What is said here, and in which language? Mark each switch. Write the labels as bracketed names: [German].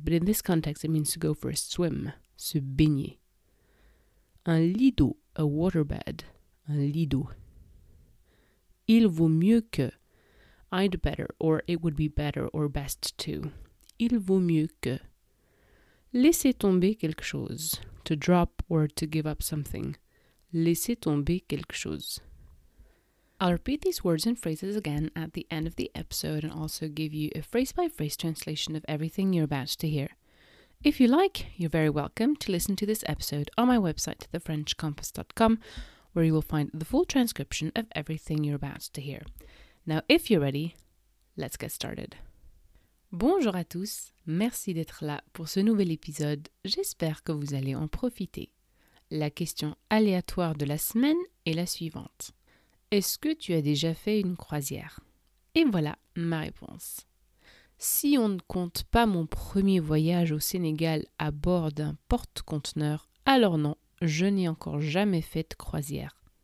[English] But in this context, it means to go for a swim. [French] Se baigner. Un lit d'eau. [English] A waterbed. [French] Un lit d'eau. Il vaut mieux que. [English] I'd better or it would be better or best to. [French] Il vaut mieux que. Laisser tomber quelque chose. [English] To drop or to give up something. [French] Laisser tomber quelque chose. [English] I'll repeat these words and phrases again at the end of the episode and also give you a phrase-by-phrase translation of everything you're about to hear. If you like, you're very welcome to listen to this episode on my website, thefrenchcompass.com, where you will find the full transcription of everything you're about to hear. Now, if you're ready, let's get started. [French] Bonjour à tous, merci d'être là pour ce nouvel épisode, j'espère que vous allez en profiter. La question aléatoire de la semaine est la suivante. Est-ce que tu as déjà fait une croisière? Et voilà ma réponse. Si on ne compte pas mon premier voyage au Sénégal à bord d'un porte-conteneur, alors non, je n'ai encore jamais fait de croisière.